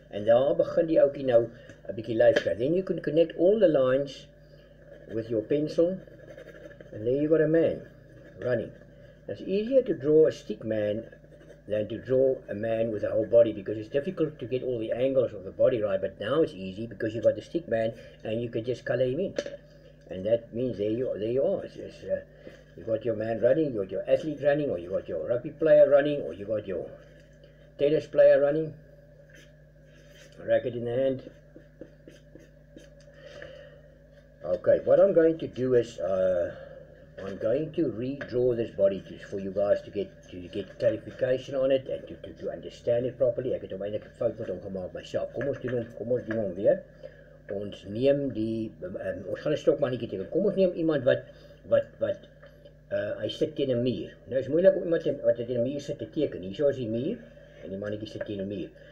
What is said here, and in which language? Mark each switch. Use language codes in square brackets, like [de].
[af] And daar begin die ookie nou a bietjie lyf kry. [en] Then you can connect all the lines with your pencil. And there you've got a man running. It's easier to draw a stick man than to draw a man with a whole body, because it's difficult to get all the angles of the body right, but now it's easy because you've got the stick man and you can just colour him in. And that means there you are. You've got your man running, you've got your athlete running, or you've got your rugby player running, or you've got your tennis player running. A racket in the hand. Okay, what I'm going to do is I'm going to redraw this body just for you guys to get clarification on it and to understand it properly. [af] Ek het eintlik 'n fout met hom gemaak myself. Kom ons doen hom weer. Ons neem die ons gaan 'n stokmannetjie teken. Kom ons neem iemand wat hy sit teen 'n muur. Nou is moeilik om iemand wat teen 'n muur sit te teken. Hierso is die muur en die mannetjie sit teen 'n muur.